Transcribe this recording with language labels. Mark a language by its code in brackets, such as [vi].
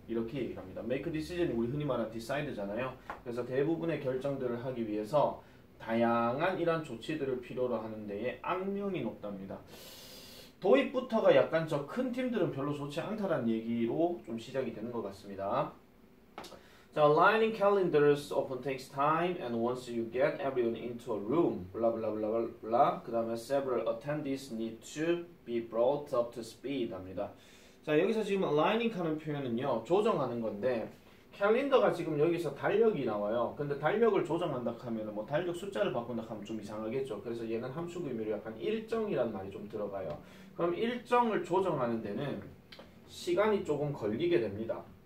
[ko] 이렇게 얘기를 합니다. [en] Make decision [ko] 이 우리 흔히 말하는 decide잖아요. 그래서 대부분의 결정들을 하기 위해서 다양한 이런 조치들을 필요로 하는 데에 악명이 높답니다. 도입부터가 약간 저큰 팀들은 별로 좋지 않다라는 얘기로 좀 시작이 되는 것 같습니다. [en] The aligning calendars often takes time, and once you get everyone into a room, blah blah blah blah blah. [ko] 그 다음에 [en] several attendees need to be brought up to speed [ko] 합니다. 자, 여기서 지금 aligning 하는 표현은요, 조정하는 건데, 캘린더가 지금 여기서 달력이 나와요. 근데 달력을 조정한다 하면은 뭐 달력 숫자를 바꾼다 하면 좀 이상하겠죠. 그래서 얘는 함수 의미로 약간 일정이란 말이 좀 들어가요. 그럼 일정을 조정하는 데는 시간이 조금 걸리게 됩니다.